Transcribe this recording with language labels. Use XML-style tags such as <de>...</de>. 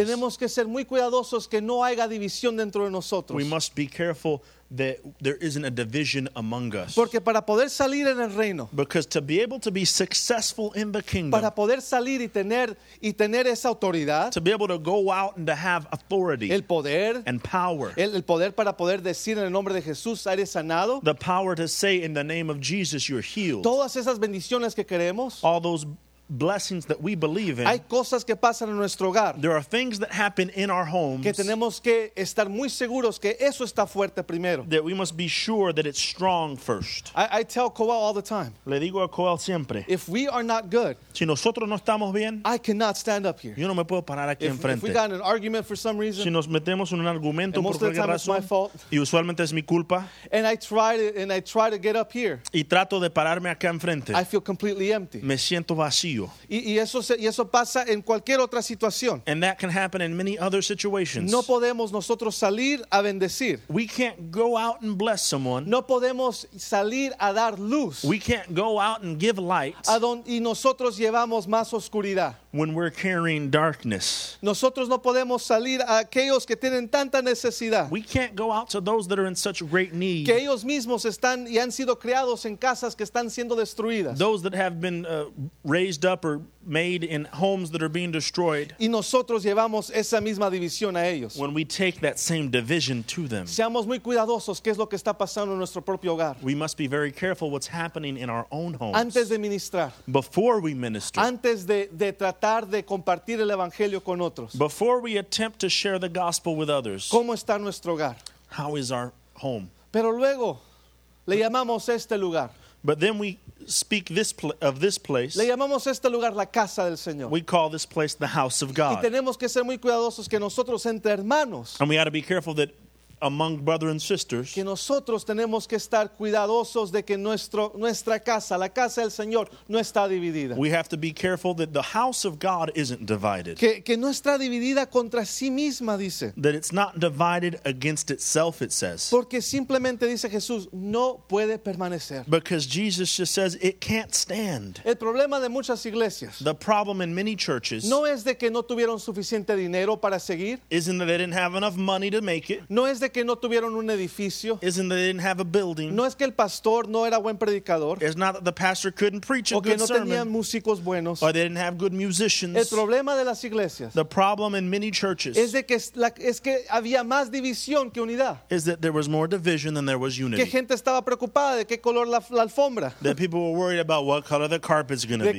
<es>Tenemos que ser muy cuidadosos que no haya división dentro de nosotros.</es> <en>We must be careful that there isn't a division among us.</en> <es>Porque para poder salir en el reino,</es> <en>because to be able to be successful in the kingdom,</en> <es>para poder salir y tener esa autoridad,</es> <en>to be able to go out and to have authority,</en> <es>el poder,</es> <en>and power,</en> <es>el poder para poder decir en el nombre de Jesús, eres sanado,</es> <en>the power to say in the name of Jesus, you're healed.</en> <es>Todas esas bendiciones que queremos,</es> <en>all those blessings that we believe in.</en> <es>Hay cosas que pasan en nuestro hogar.</es> <en>There are things that happen in our homes.</en> <es>Que tenemos que estar muy seguros que eso está fuerte primero.</es> <en>That we must be sure that it's strong first. I tell Coel all the time.</en> <es>Le digo a Coel siempre.</es> <en>If we are not good.</en> <es>Si nosotros no estamos bien.</es> <en>I cannot stand up here.</en> <es>Yo no me puedo parar aquí enfrente.</es> <en>If we got in an argument for some reason.</en> <es>Si nos metemos en un argumento por cualquier razón.</es> <en>And most of the time it's my fault.</en> <es>Y usualmente es mi culpa.</es> <en>And I try to get up here.</en> <es>Y trato de pararme acá enfrente.</es> <en>I feel completely empty.</en> <es>Me siento vacío. Y eso pasa en cualquier otra situación.</es> <en>And that can happen in many other situations.</en> <es>No podemos nosotros salir a bendecir.</es> <en>We can't go out and bless someone.</en> <es>No podemos salir a dar luz.</es> <en>We can't go out and give light.</en> <es>Y nosotros llevamos más oscuridad.</es> <en>When we're carrying darkness.</en> <es>Nosotros no podemos salir a aquellos que tienen tanta necesidad.</es> <en>We can't go out to those that are in such great need.</en> <es>Que ellos mismos están y han sido criados en casas que están siendo destruidas.</es> <en>Those that have been raised up or made in homes that are being destroyed.</en> <es>Y nosotros llevamos esa misma división a ellos.</es> <en>When we take that same division to them.</en> <es>Seamos muy cuidadosos qué es lo que está pasando en nuestro propio hogar.</es> <en>We must be very careful what's happening in our own homes.</en> <es>Antes de ministrar.</es> <en>Before we minister.</en> <es>Antes de tratar de compartir el evangelio con otros.</es> <en>Before we attempt to share the gospel with others.</en> <es>¿Cómo está nuestro hogar?</es> <en>How is our home?</en> <es>Pero luego le llamamos este lugar.</es> <en>But then we speak this place.</en> <es>Le llamamos este lugar la casa del Señor.</es> <en>We call this place the house of God.</en> <es>Y tenemos que ser muy cuidadosos que nosotros entre hermanos.</es> <en>And we ought to be careful that among brothers and sisters.</en> <es>Que nosotros tenemos que estar cuidadosos de que nuestra casa, la casa del Señor, no está dividida.</es> <en>We have to be careful that the house of God isn't divided.</en> <es>Que no está dividida contra sí misma, dice.</es> <en>That it's not divided against itself, it says.</en> <es>Porque simplemente dice Jesús, no puede permanecer.</es> <en>Because Jesus just says it can't stand.</en> <es>El problema de muchas iglesias.</es> <en>The problem in many churches.</en> <es>No es de que no tuvieron suficiente dinero para seguir.</es> <en>Isn't that they didn't have enough money to make it.</en> <es>No es de que no tuvieron un edificio.</es> <en>Isn't that they didn't have a building.</en> <es>No es que el pastor no era buen predicador.</es> <en>It's not that the pastor couldn't preach a good sermon.</en> <es>O que no tenían músicos buenos.</es> <en>Or they didn't have good musicians.</en> <es>El problema de las iglesias.</es> <en>The problem in many churches.</en> <es>Es que había más división que unidad.</es> <en>Is that there was more division than there was unity.</en> <es>Que gente estaba preocupada de qué color la alfombra.</es> <en>That people were worried about what color the carpet's going to be.</en>